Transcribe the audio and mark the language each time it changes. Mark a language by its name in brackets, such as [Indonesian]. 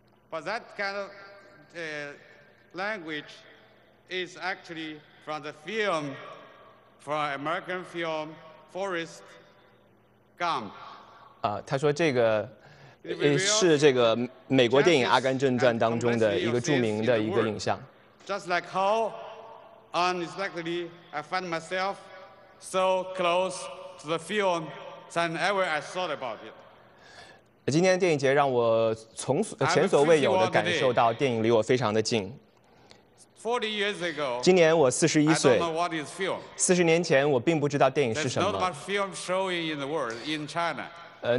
[English] But that kind of language is actually from the film, from American film, Forrest Gump. [Chinese] 他说这个是这个美国电影《阿甘正传》当中的一个著名的一个影像。 [English] Just like how unexpectedly I find myself so close to the film than ever I thought about it. [Chinese] 今天电影节让我从前所未有的感受到电影离我非常的近。今年我41岁，40年前我并不知道电影是什么。